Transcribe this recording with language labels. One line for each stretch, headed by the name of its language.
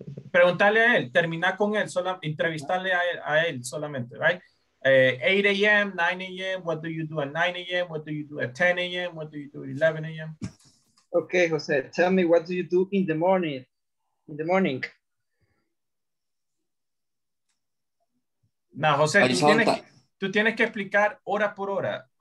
Spanish: Preguntarle a él, terminar con él, solo entrevistarle a él solamente,
English: right? 8 a.m., 9 a.m., what do you do at 9 a.m., what do you do at 10 a.m., what do you do at 11 a.m.? Okay, Jose, tell me, what do you do in the morning? In the morning?
Spanish: No, Jose, tú tienes que explicar hora por hora.